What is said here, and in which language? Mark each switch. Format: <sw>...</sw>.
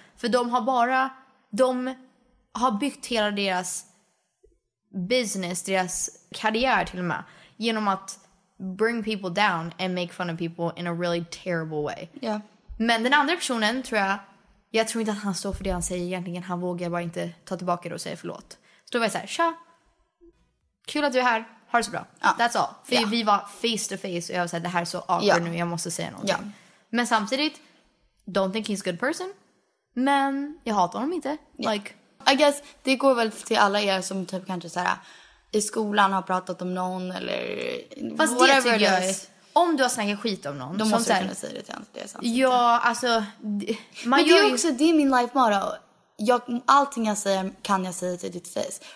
<sv>För de har byggt hela deras business, deras karriär till och med, genom att</sv> <en>bring people down and make fun of people in a really terrible way. Yeah.</en> <sv>Men den andra personen, jag tror inte att han står för det han säger egentligen. Han vågar bara inte ta tillbaka det och säga förlåt. Så då var jag såhär, tja, kul att du är här, ha det så bra.</sv> <en>That's all.</en> <sv>För vi var face to face och jag var såhär, det här är så awkward nu, jag måste säga någonting. Men samtidigt,</sv> <en>don't think he's a good person.</en> <sv>Men jag hatar honom inte. Like, I guess det går väl till alla er som typ kanske såhär i skolan har pratat om någon eller fast whatever det tycker jag är, om du har snackat skit om någon, då måste du kunna säga det till honom. Ja, alltså men det är också, det är min life motto. Allting jag säger kan jag säga till ditt face.</sv>